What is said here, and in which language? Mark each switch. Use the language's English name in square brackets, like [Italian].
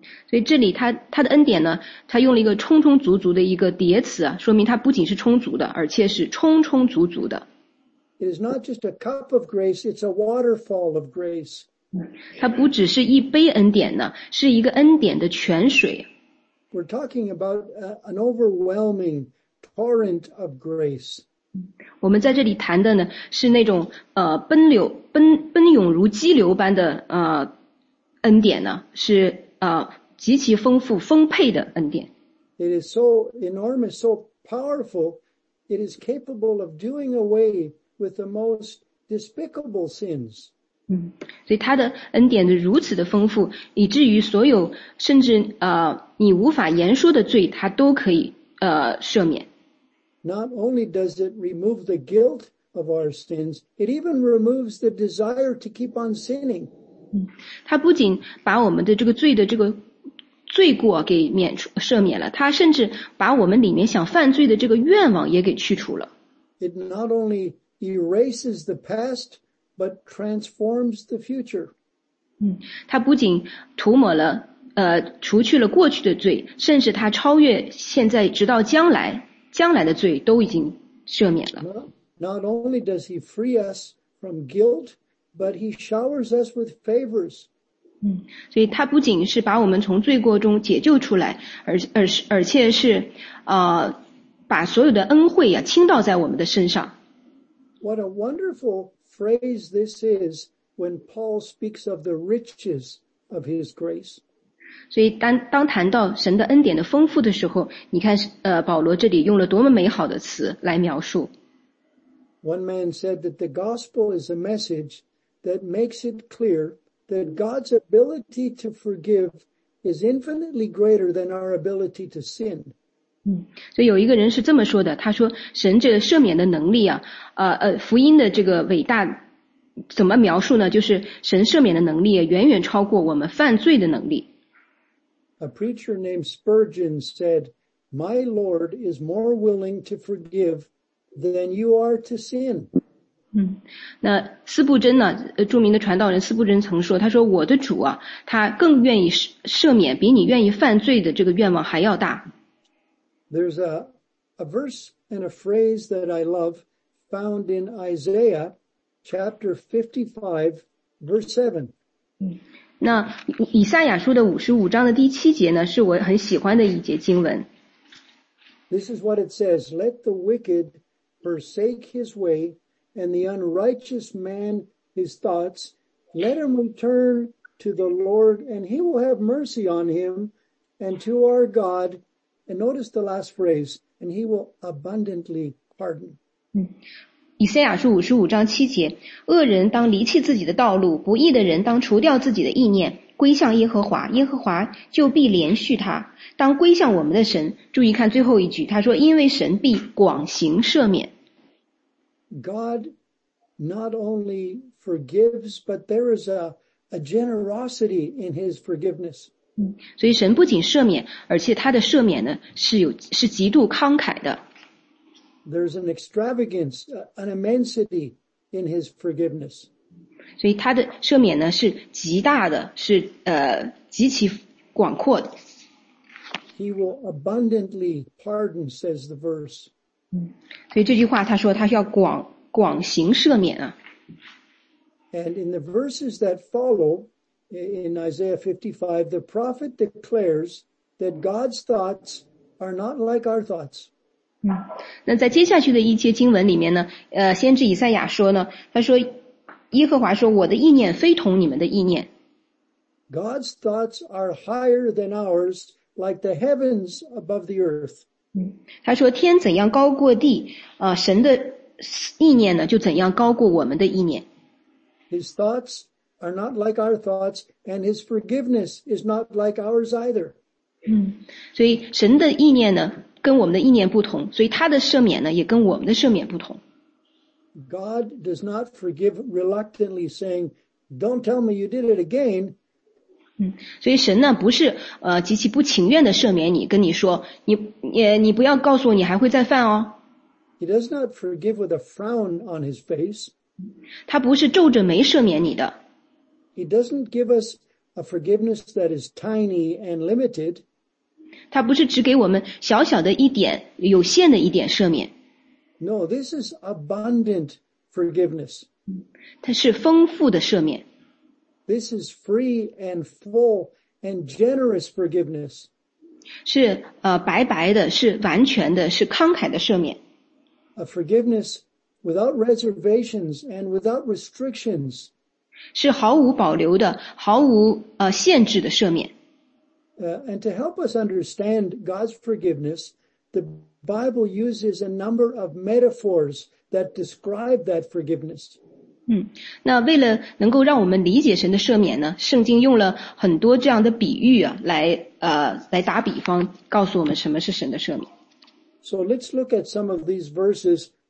[Chinese] 所以这里他的恩典呢，他用了一个充充足足的一个叠词，说明他不仅是充足的，而且是充充足足的。 [English] It is not just a cup of grace, it's a waterfall of grace. [Chinese] 他不只是一杯恩典呢，是一个恩典的泉水。 [English] We're talking about an overwhelming torrent of grace. [Chinese] 我们在这里谈的呢，是那种奔涌如激流般的恩典呢，是极其丰富丰沛的恩典。 [English] It is so enormous, so powerful, it is capable of doing away with the most despicable sins. [Chinese] 所以他的恩典的如此的丰富，以至于所有甚至你无法言说的罪，他都可以赦免。 [English] Not only does it remove the guilt of our sins, it even removes the desire to keep on sinning. [Chinese] 他不仅把我们的这个罪的这个罪过给赦免了，他甚至把我们里面想犯罪的这个愿望也给去除了。 [English] It not only erases the past, but transforms the future. [Chinese] 他不仅涂抹了除去了过去的罪，甚至他超越现在直到将来。将来的罪都已经赦免了。 [English] Not only does he free us from guilt, but he showers us with favors. [Chinese] 所以他不仅是把我们从罪过中解救出来，而且是把所有的恩惠呀倾倒在我们的身上。 [English] What a wonderful phrase this is when Paul speaks of the riches of his grace. [Chinese] 所以当谈到神的恩典的丰富的时候，你看保罗这里用了多么美好的词来描述。 [English] One man said that the gospel is a message that makes it clear that God's ability to forgive is infinitely greater than our ability to sin. [Chinese] 所以有一个人是这么说的，他说神这个赦免的能力啊，福音的这个伟大怎么描述呢？就是神赦免的能力远远超过我们犯罪的能力。 [English] A preacher named Spurgeon said, "My Lord is more willing to forgive than you are to sin." [Chinese] 那斯布珍呢？著名的传道人斯布珍曾说，他说我的主啊，他更愿意赦免比你愿意犯罪的这个愿望还要大。 [English] There's a verse and a phrase that I love found in Isaiah chapter 55, verse 7. [Chinese] 那以赛亚书的55章的第七节呢，是我很喜欢的一节经文。 [English] This is what it says, "Let the wicked forsake his way, and the unrighteous man his thoughts. Let him return to the Lord, and he will have mercy on him, and to our God." And notice the last phrase, "and he will abundantly pardon." [Chinese] 以赛亚书55章7节，恶人当离弃自己的道路，不义的人当除掉自己的意念，归向耶和华，耶和华就必连续他，当归向我们的神。注意看最后一句，他说因为神必广行赦免。 [English] God not only forgives, but there is a generosity in his forgiveness. [Chinese] 所以神不仅赦免，而且他的赦免呢是极度慷慨的。 [English] There's an extravagance, an immensity in his forgiveness. [Chinese] 所以他的赦免呢是极大的，是极其广阔的。 [English] He will abundantly pardon, says the verse. [Chinese] 所以这句话他说他要广行赦免啊。 [English] And in the verses that follow, in Isaiah 55, the prophet declares that God's thoughts are not like our thoughts. [Chinese] 那在接下去的一些经文里面呢，先知以赛亚说呢，他说耶和华说我的意念非同你们的意念。 [English] God's thoughts are higher than ours, like the heavens above the earth. [Chinese] 他说天怎样高过地，神的意念呢就怎样高过我们的意念。 [English] His thoughts are not like our thoughts, and his forgiveness is not like ours either. [Chinese] 所以神的意念呢跟我们的意念不同，所以他的赦免呢也跟我们的赦免不同。 [English] God does not forgive reluctantly, saying, "Don't tell me you did it again." [Chinese] 所以神呢不是极其不情愿的赦免你，跟你说你不要告诉我你还会再犯哦。 [English] He does not forgive with a frown on his face. [Chinese] 他不是皱着眉赦免你的。 [English] He doesn't give us a forgiveness that is tiny and limited. [Chinese] 他不是只给我们小小的一点，有限的一点赦免。 [English] No, this is abundant forgiveness. [Chinese] 它是丰富的赦免。 [English] This is free and full and generous forgiveness. [Chinese] 是白白的，是完全的，是慷慨的赦免。 [English] A forgiveness without reservations and without restrictions. [Chinese] 是毫无保留的，毫无限制的赦免。 [English] And to help us understand God's forgiveness, the Bible uses a number of metaphors that describe that forgiveness. [Chinese] 那为了能够让我们理解神的赦免呢，圣经用了很多这样的比喻啊，来打比方，告诉我们什么是神的赦免。 [English] So let's look at some of these verses.